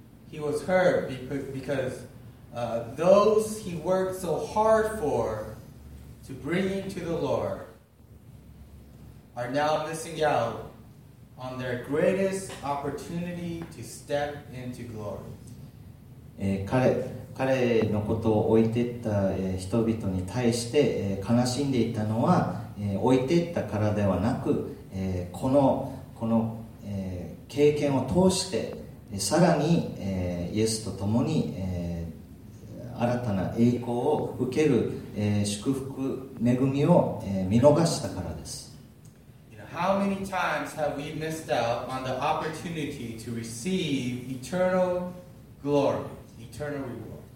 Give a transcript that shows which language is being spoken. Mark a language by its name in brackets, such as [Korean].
[English] He was hurt because, those he worked so hard for to bring to the Lord are now missing out on their greatest opportunity to step into glory. [Japanese] 彼のことを置いてった人々に対して悲しんでいたのは置いてったからではなくこの経験を通してさらにイエスと共に新たな栄光を受ける祝福恵みを見逃したからです。 [English] You know, how many times have we missed out on the opportunity to receive eternal glory, eternal reward?